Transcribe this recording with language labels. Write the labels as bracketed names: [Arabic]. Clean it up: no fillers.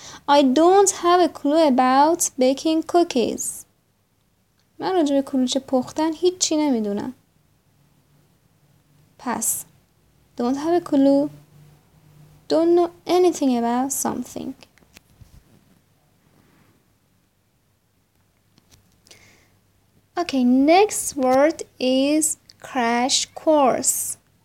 [English] I don't have a clue about baking cookies. [Persian] من راجب کلوچه پختن هیچی نمیدونم. [English] پس don't have a clue, don't know anything about something. Okay, next word is crash course.